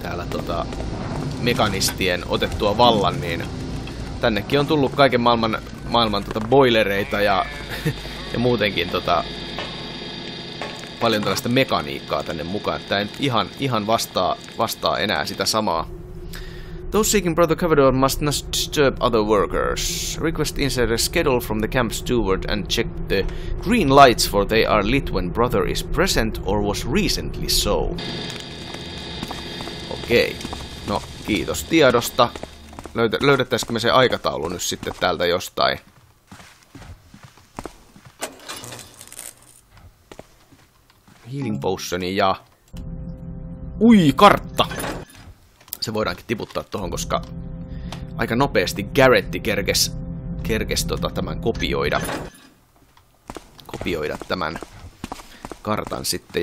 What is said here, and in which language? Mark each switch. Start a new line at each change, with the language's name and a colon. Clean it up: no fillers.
Finnish: tota, mekanistien otettua vallan, niin tännekin on tullut kaiken maailman tota boilereita ja muutenkin tota paljon tällaista mekaniikkaa tänne mukaan. Tää nyt ihan vastaa enää sitä samaa.
English: Those seeking Brother Cavador must not disturb other workers. Request insert a schedule from the camp steward and check the green lights, for they are lit when Brother is present or was recently so.
Finnish: Okei. Okay. No, kiitos tiedosta. Löydettäisikö me se aikataulu nyt sitten täältä jostain? Healing potioni ja... Ui, kartta! Se voidaankin tiputtaa tohon, koska aika nopeasti Garretti kerkes tota tämän kopioida tämän kartan sitten.